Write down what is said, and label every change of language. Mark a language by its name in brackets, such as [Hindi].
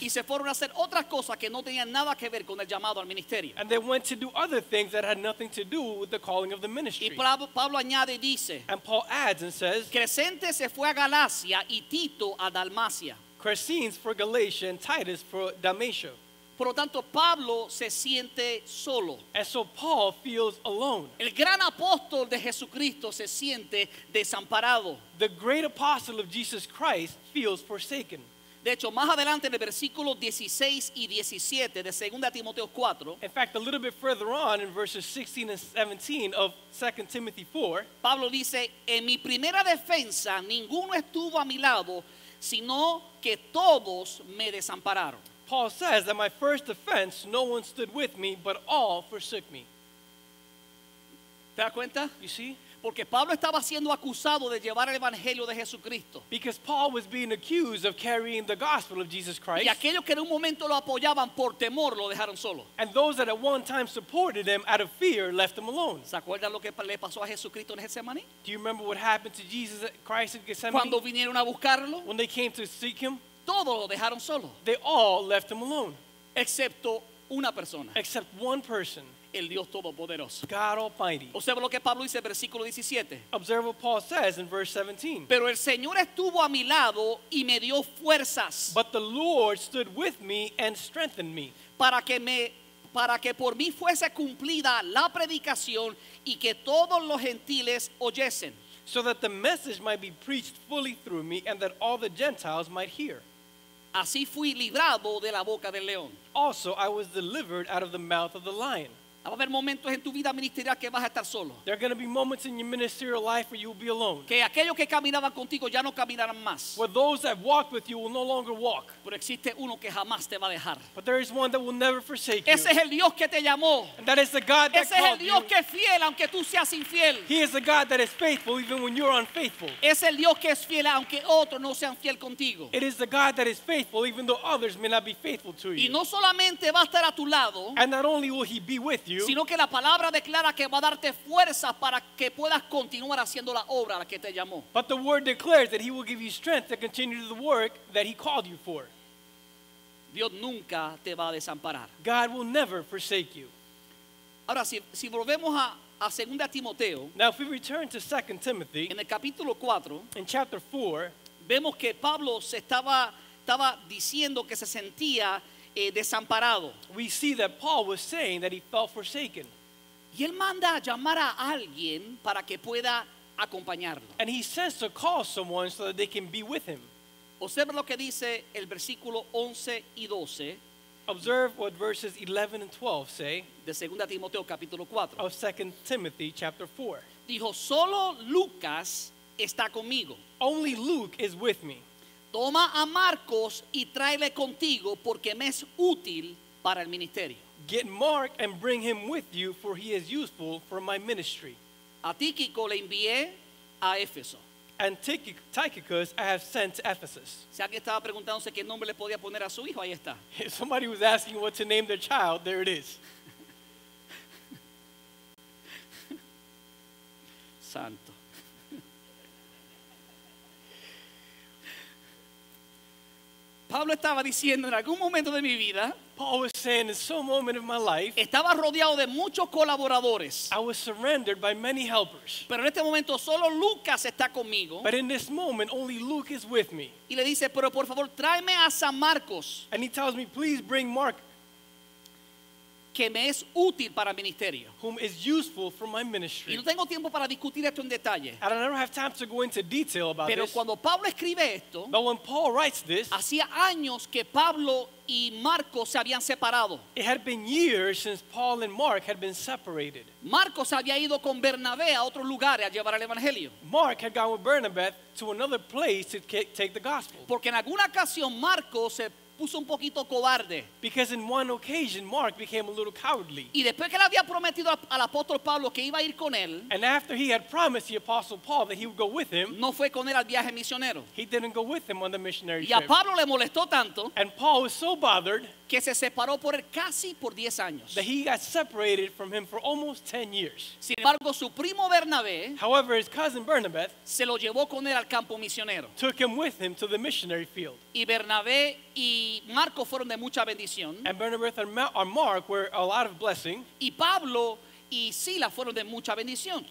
[Spanish] Y se fueron a hacer otras cosas que no tenían nada que ver con el llamado al ministerio. [English] And they went to do other things that had nothing to do with the calling of the ministry. [Spanish] Y Pablo añade y dice. [English] And Paul adds and says, [Spanish] Crescente se fue a Galacia y Tito a Dalmacia. [English] Crescens for Galatia and Titus for Dalmatia. [Spanish] Por lo tanto, Pablo se siente solo. [English] And so Paul feels alone. [Spanish] El gran apóstol de Jesucristo se siente desamparado. [English] The great apostle of Jesus Christ feels forsaken. [Spanish] De hecho, más adelante en el versículo 16 y 17 de 2 Timoteo 4. [English] In fact, a little bit further on in verses 16 and 17 of 2 Timothy 4. [Spanish] Pablo dice, en mi primera defensa ninguno estuvo a mi lado, sino que todos me desampararon. [English] Paul says that my first defense no one stood with me, but all forsook me. [Spanish] ¿Te das cuenta? [English] You see? [Spanish] Porque Pablo estaba siendo acusado de llevar el evangelio de Jesucristo. [English] Because Paul was being accused of carrying the gospel of Jesus Christ. [Spanish] Y aquellos que en un momento lo apoyaban por temor lo dejaron solo. [English] And those that at one time supported him out of fear left him alone. [Spanish] ¿Se acuerdan lo que le pasó a Jesucristo en Getsemaní? [English] Do you remember what happened to Jesus Christ in Gethsemane? [Spanish] Cuando vinieron a buscarlo. [English] When they came to seek him. [Spanish] Todos lo dejaron solo. [English] They all left him alone. [Spanish] Excepto una persona. [English] Except one person. [Spanish] El Dios Todopoderoso. [English] God Almighty. [Spanish] Observa lo que Pablo dice en versículo 17. [English] Observe what Paul says in verse 17. [Spanish] Pero el Señor estuvo a mi lado y me dio fuerzas. [English] But the Lord stood with me and strengthened me. [Spanish] Para que por mí fuese cumplida la predicación y que todos los gentiles oyesen. [English] So that the message might be preached fully through me and that all the Gentiles might hear. [Spanish] Así fui librado de la boca del león. [English] Also I was delivered out of the mouth of the lion. [Spanish] Va a haber momentos en tu vida ministerial que vas a estar solo. [English] There are going to be moments in your ministerial life where you will be alone. [Spanish] Que aquellos que caminaban contigo ya no caminarán más. [English] Where those that walked with you will no longer walk. [Spanish] Pero existe uno que jamás te va a dejar. [English] But there is one that will never forsake [Spanish] ese [English] you. [Spanish] Ese es el Dios que te llamó. [English] And that is the God that [Spanish] ese [English] called [Spanish] es el Dios [English] you. [Spanish] Que es fiel aunque tú seas infiel. [English] He is the God that is faithful even when you are unfaithful. [Spanish] Es el Dios que es fiel aunque otros no sean fiel contigo. [English] It is the God that is faithful even though others may not be faithful to you. [Spanish] Y no solamente va a estar a tu lado. [English] And not only will he be with you. [Spanish] Sino que la palabra declara que va a darte fuerza para que puedas continuar haciendo la obra a la que te llamó. [English] But the word declares that he will give you strength to continue the work that he called you for. [Spanish] Dios nunca te va a desamparar. [English] God will never forsake you. [Spanish] Ahora si volvemos a 2 Timoteo. [English] Now if we return to 2 Timothy. [Spanish] En el capítulo 4. [English] In chapter 4. [Spanish] Vemos que Pablo se estaba diciendo que se sentía desamparado. [English] We see that Paul was saying that he felt forsaken. [Spanish] Y él manda a llamar a alguien para que pueda acompañarlo. [English] And he says to call someone so that they can be with him. [Spanish] Observe lo que dice el versículo 11 y 12. [English] Observe what verses 11 and 12 say. [Spanish] De 2 Timoteo capítulo 4. [English] Of 2 Timothy chapter 4. [Spanish] Dijo, solo Lucas está conmigo. [English] Only Luke is with me. [Spanish] Toma a Marcos y tráele contigo porque me es útil para el ministerio. [English] Get Mark and bring him with you for he is useful for my ministry. [Spanish] A Tíquico le envié a Éfeso. [English] And Tychicus I have sent to Ephesus. [Spanish] Si alguien estaba preguntándose qué nombre le podía poner a su hijo, ahí está. [English] If somebody was asking what to name their child, there it is. [Spanish] Santo. Pablo estaba diciendo en algún momento de mi vida, [English] Paul was saying in some moment of my life, [Spanish] estaba rodeado de muchos colaboradores. [English] I was surrounded by many helpers. [Spanish] Pero en este momento solo Lucas está conmigo. [English] But in this moment only Luke is with me. [Spanish] Y le dice, pero por favor tráeme a San Marcos. [English] And he tells me, please bring Mark, [Spanish] que me es útil para el ministerio. [English] Whom is useful for my ministry. [Spanish] Y no tengo tiempo para discutir esto en detalle. [English] And I don't have time to go into detail about [Spanish] Pero [English] this. [Spanish] Pero cuando Pablo escribe esto, [English] but when Paul writes this, [Spanish] hacía años que Pablo y Marcos se habían separado. [English] It had been years since Paul and Mark had been separated. [Spanish] Marcos había ido con Bernabé a otros lugares a llevar el evangelio. [English] Mark had gone with Bernabé to another place to take the gospel. [Spanish] Porque en alguna ocasión Marcos se puso un poquito cobarde. [English] Because in one occasion Mark became a little cowardly. [Spanish] Y después que le había prometido al apóstol Pablo que iba a ir con él, [English] and after he had promised the apostle Paul that he would go with him, [Spanish] no fue con él al viaje misionero. [English] He didn't go with him on the missionary trip. [Spanish] Y a Pablo le molestó tanto, [English] and Paul was so bothered, [Spanish] que se separó por él casi por 10 años. [English] That he got separated from him for almost 10 years. [Spanish] Sin embargo, su primo Bernabé, [English] however, his cousin Bernabé, [Spanish] se lo llevó con él al campo misionero. [English] Took him with him to the missionary field. [Spanish] Y Bernabé y Marco fueron de mucha bendición. [English] And Bernabé and Mark were a lot of blessing. [Spanish] Y Pablo y Silas fueron de mucha bendición.